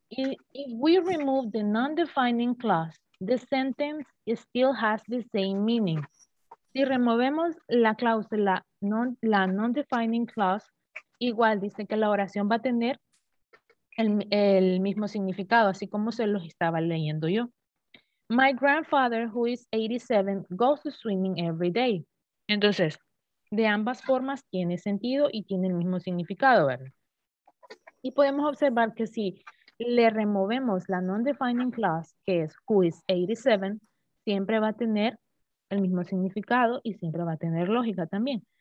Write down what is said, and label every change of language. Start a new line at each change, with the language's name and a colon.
English: If we remove the non-defining clause, the sentence still has the same meaning.
Spanish: Si removemos la cláusula, la non-defining clause, igual dice que la oración va a tener el mismo significado, así como se los estaba leyendo yo.
English: My grandfather, who is 87, goes to swimming every day.
Spanish: Entonces, de ambas formas tiene sentido y tiene el mismo significado, ¿verdad? Y podemos observar que si le removemos la non-defining clause, que es
English: who is 87,
Spanish: siempre va a tener el mismo significado y siempre va a tener lógica también.